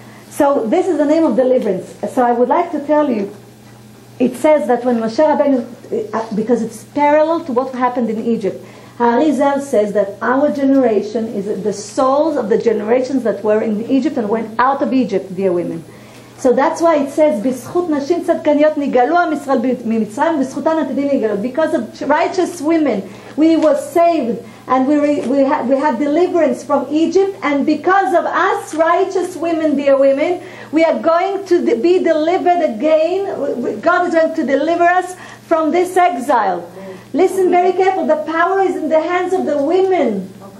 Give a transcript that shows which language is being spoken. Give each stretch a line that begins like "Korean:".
English: So this is the name of deliverance. So I would like to tell you, it says that when Moshe Rabbeinu, because it's parallel to what happened in Egypt, Harizal says that our generation is the souls of the generations that were in Egypt and went out of Egypt, dear women.
Hebrew: So that's why it says, בזכות נשים צדקניות נגלו עם ישראל ממצרים, בזכותן עתידים נגלו.
English: Because of righteous women, we were saved and we had deliverance from Egypt, and because of us righteous women, dear women, we are going to be delivered again. God is going to deliver us from this exile. Listen very careful, the power is in the hands of the women.